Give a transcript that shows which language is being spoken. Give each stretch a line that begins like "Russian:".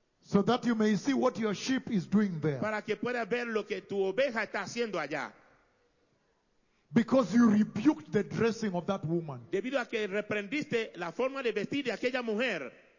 English: So that you may see what your sheep is doing there.
Spanish: Para que pueda ver lo que tu oveja está haciendo allá.
English: Because you rebuked the dressing of that woman.
Spanish: Debido a que reprendiste la forma de vestir de aquella mujer.